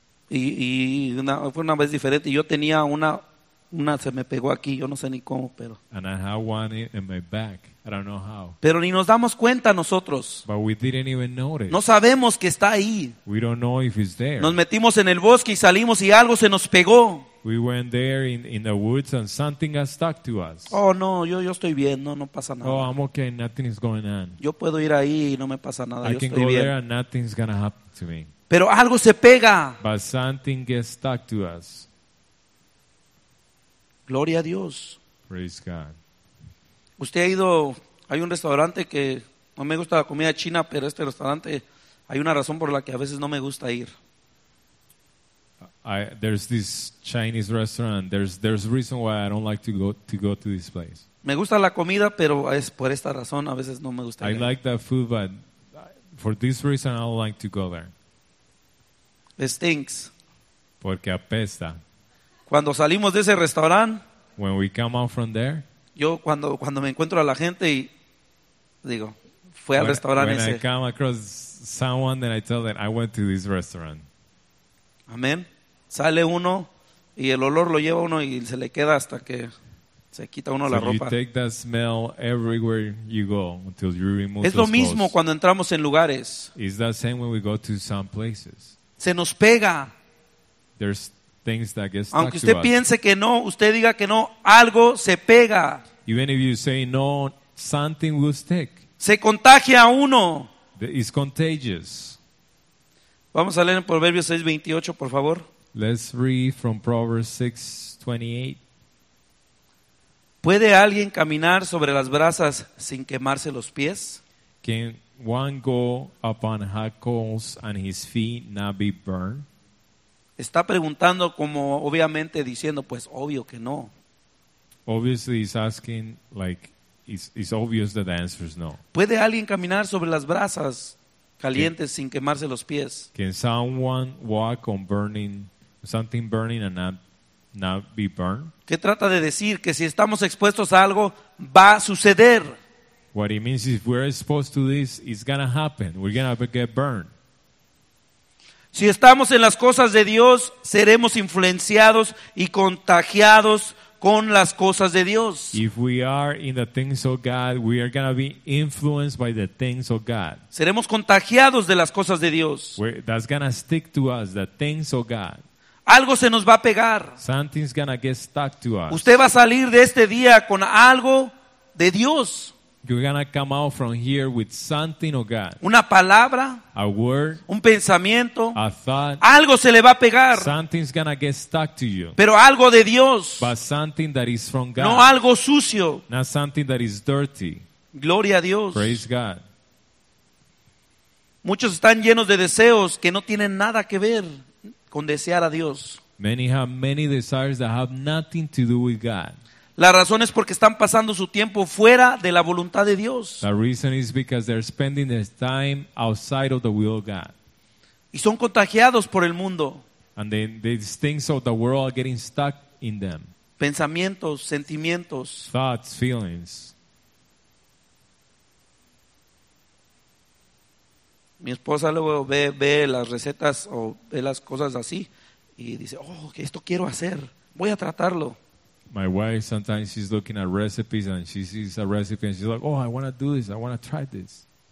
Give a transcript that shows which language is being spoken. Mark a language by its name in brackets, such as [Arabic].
[Spanish] Y fue una vez diferente. Yo tenía una se me pegó aquí. Yo no sé ni cómo, pero. [English] And I had one in my back. I don't know how. [Spanish] Pero ni nos damos cuenta nosotros. [English] But we didn't even notice. [Spanish] No sabemos que está ahí. [English] We don't know if it's there. [Spanish] Nos metimos en el bosque y salimos y algo se nos pegó. [English] We went there in the woods and something got stuck to us. [Spanish] Oh no, yo estoy bien, no pasa nada. [English] Oh, I'm okay, nothing is going on. [Spanish] Yo puedo ir ahí y no me pasa nada. [English] I can go there and nothing's gonna happen to me. [Spanish] Pero algo se pega. [English] But something gets stuck to us. [Spanish] Gloria a Dios. [English] Praise God. [Spanish] Usted ha ido, hay un restaurante que no me gusta la comida china, pero este restaurante hay una razón por la que a veces no me gusta ir. [English] There's this Chinese restaurant. There's a reason why I don't like to go to this place. [Spanish] Me gusta la comida, pero es por esta razón a veces no me gusta ir. [English] I like that food, but for this reason I don't like to go there. It stinks. [Spanish] Porque apesta. Cuando salimos de ese restaurante, [English] when we come out from there, [Spanish] yo cuando me encuentro a la gente y digo, fue al restaurante ese. [English] When I come across someone, then I tell them I went to this restaurant. [Spanish] Amén. Sale uno y el olor lo lleva uno y se le queda hasta que. Se quita uno la ropa. [English] You take that smell everywhere you go until you remove those. [Spanish] Es lo mismo Cuando entramos en lugares. [English] It's the same when we go to some places. [Spanish] Se nos pega. [English] There's things that get stuck. [Spanish] Aunque usted [English] to [Spanish] piense [English] us. [Spanish] Que no, usted diga que no, algo se pega. [English] Even if you say no, something will stick. [Spanish] Se contagia a uno. [English] It's contagious. [Spanish] Vamos a leer en Proverbios 6:28, por favor. [English] Let's read from Proverbs 6:28. [Spanish] ¿Puede alguien caminar sobre las brasas sin quemarse los pies? [English] Can one go upon hot coals and his feet not be burned? [Spanish] Está preguntando como obviamente diciendo, pues obvio que no. [English] Obviously he's asking like it's obvious that the answer is no. [Spanish] ¿Puede alguien caminar sobre las brasas calientes sin quemarse los pies? [English] Can someone walk on burning something burning and not be burned? [Spanish] ¿Qué trata de decir? Que si estamos expuestos a algo, va a suceder. [English] What he means is if we're exposed to this, it's going to happen. We're going to get burned. [Spanish] Si estamos en las cosas de Dios, seremos influenciados y contagiados con las cosas de Dios. [English] If we are in the things of God, we are going to be influenced by the things of God. [Spanish] Seremos contagiados de las cosas de Dios. [English] That's going to stick to us, the things of God. [Spanish] Algo se nos va a pegar. [English] Something's gonna get stuck to us. [Spanish] Usted va a salir de este día con algo de Dios. [English] You're gonna come out from here with something of God. [Spanish] Una palabra. [English] A word. [Spanish] Un pensamiento. [English] A thought. [Spanish] Algo se le va a pegar. [English] Something's gonna get stuck to you. [Spanish] Pero algo de Dios. [English] But something that is from God. [Spanish] No algo sucio. [English] Not something that is dirty. [Spanish] Gloria a Dios. [English] Praise God. [Spanish] Muchos están llenos de deseos que no tienen nada que ver. Con desear a Dios. [English] Many have many desires that have nothing to do with God. [Spanish] La razón es porque están pasando su tiempo fuera de la voluntad de Dios. [English] The reason is because they're spending their time outside of the will of God. [Spanish] Y son contagiados por el mundo. [English] And then these things of the world are getting stuck in them. [Spanish] Pensamientos, sentimientos. [English] Thoughts, feelings. [Spanish] Mi esposa luego ve las recetas o ve las cosas así y dice, oh, que esto quiero hacer, voy a tratarlo. [English] My wife sometimes she's looking at recipes and she sees a recipe and she's like, oh, I want to do this, I want to try this.